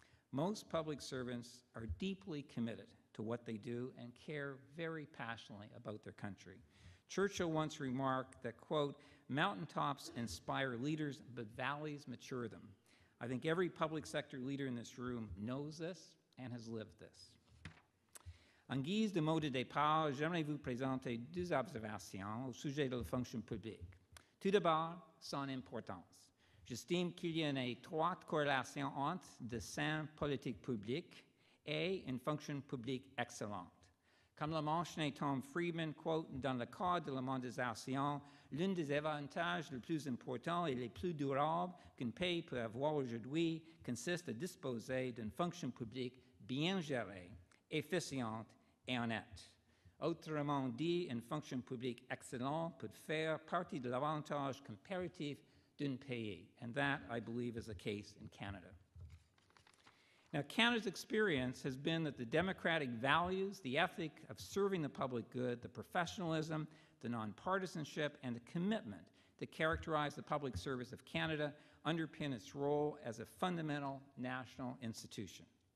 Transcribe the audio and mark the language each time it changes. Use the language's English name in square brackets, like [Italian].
[English] Most public servants are deeply committed to what they do and care very passionately about their country. Churchill once remarked that, quote, mountaintops inspire leaders, but valleys mature them. I think every public sector leader in this room knows this and has lived this. [French] En guise de mot de départ, j'aimerais vous présenter deux observations au sujet de la fonction publique. Tout d'abord, son importance. J'estime qu'il y a une étroite corrélation entre dessein politique public et une fonction publique excellente. Comme l'a mentionné Tom Friedman, quote, dans le cadre de la mondialisation, l'un des avantages les plus importants et les plus durables qu'un pays peut avoir aujourd'hui consiste à disposer d'une fonction publique bien gérée, efficiente et honnête. Autrement dit, une fonction publique excellente peut faire partie de l'avantage comparatif d'un pays. [English] And that, I believe, is the case in Canada. Now, Canada's experience has been that the democratic values, the ethic of serving the public good, the professionalism, the nonpartisanship, and the commitment that characterize the public service of Canada underpin its role as a fundamental national institution.